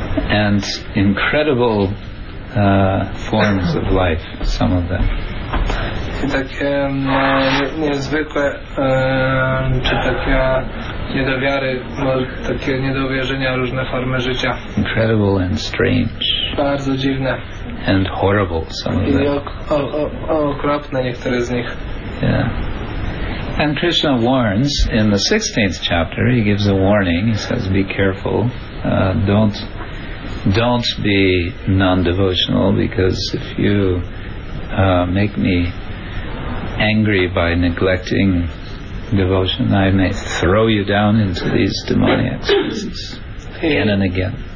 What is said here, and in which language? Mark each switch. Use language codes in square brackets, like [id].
[en] And incredible forms of life, some of them. [pl] I takie niezwykłe, czy takie niedowiary, takie niedowierzenia, różne formy życia. [en] Incredible and strange. [pl] Bardzo dziwne. [en] And horrible, some of them. [pl] I okropne niektóre z nich. [en] Yeah. And Krishna warns in the 16th chapter, he gives a warning, he says, be careful, don't don't be non-devotional, because if you make me angry by neglecting devotion, I may throw you down into these demoniac senses again and again.